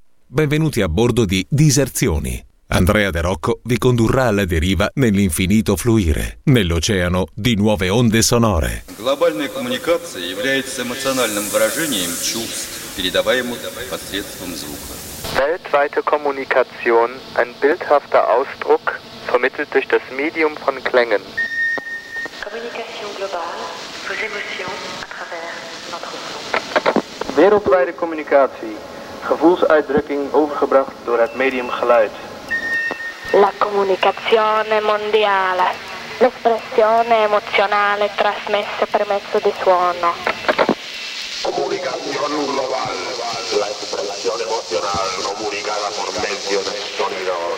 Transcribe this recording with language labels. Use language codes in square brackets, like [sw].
[it] Benvenuti a bordo di Diserzioni. Andrea De Rocco vi condurrà alla deriva nell'infinito fluire, nell'oceano di nuove onde sonore. [ru] Глобальная коммуникация является эмоциональным выражением чувств, передаваемых посредством звука. [de] Weltweite Kommunikation, ein bildhafter Ausdruck, vermittelt durch das Medium von Klängen. [fr] Communication globale, vos émotions à travers notre son. [nl] Wereldwijde communicatie, gevoelsuitdrukking overgebracht door het medium geluid. [it] La comunicazione mondiale, l'espressione emozionale trasmessa per mezzo di suono. [es] Comunicación global, la expresión emocional comunicada por medio del sonido.